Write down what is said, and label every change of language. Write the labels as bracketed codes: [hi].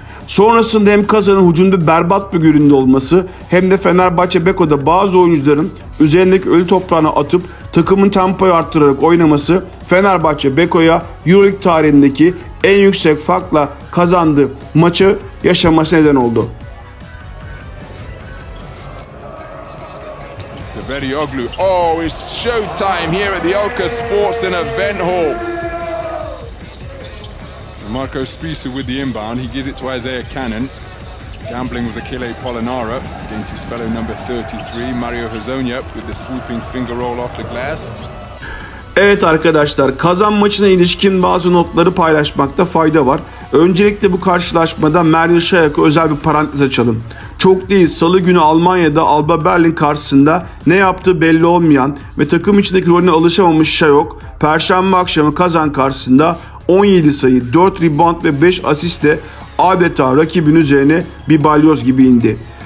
[tr] Sonrasında hem Kazan'ın hücumda berbat bir göründe olması hem de Fenerbahçe Beko'da bazı oyuncuların üzerindeki ölü toprağını atıp takımın tempoyu arttırarak oynaması Fenerbahçe Beko'ya EuroLeague tarihindeki en yüksek farkla kazandığı maçı yaşaması neden oldu. Berioglu. [en] Oh, it's showtime here at the Olka Sports and Event Hall. So Marco Spisa with the inbound. He gives it to Isaiah Cannon. Gambling with Achille Polinara against his fellow number 33, Mario Hezonja with the swooping finger roll off the glass. [tr] Evet arkadaşlar, Kazan maçına ilişkin bazı notları paylaşmakta fayda var. Öncelikle bu karşılaşmada Meryl Şayak'a özel bir parantez açalım. Çok değil, salı günü Almanya'da Alba Berlin karşısında ne yaptığı belli olmayan ve takım içindeki rolüne alışamamış Şayok, perşembe akşamı Kazan karşısında 17 sayı, 4 rebound ve 5 asistle adeta rakibin üzerine bir balyoz gibi indi.